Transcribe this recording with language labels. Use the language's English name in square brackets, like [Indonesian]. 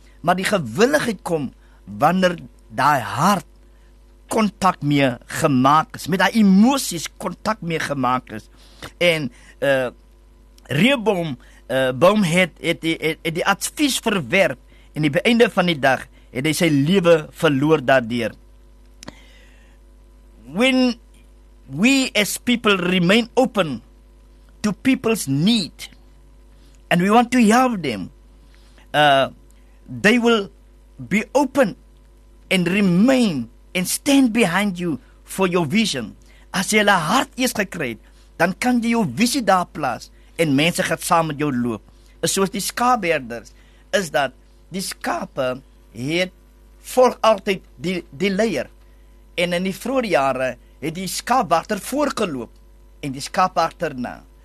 [Afrikaans] Maar die gewilligheid kom wanneer die hart kontak mee gemaak is. Met die emoties kontak mee gemaak is. En Rehoboam het die advies verwerp. En die beëinde van die dag het hy sy lewe verloor daardeur. [English] When we as people remain open to people's need and we want to help them, they will be open and remain and stand behind you for your vision. [Afrikaans] As jy hulle hart eers gekry het, dan kan jy jou visie daar plaas en mense gaan saam met jou loop. Is soos die skaapherders, is dat die skape het volg altyd die leier. En in die vroeë jare het die skaapwagter voorgeloop en die skaapwagter na.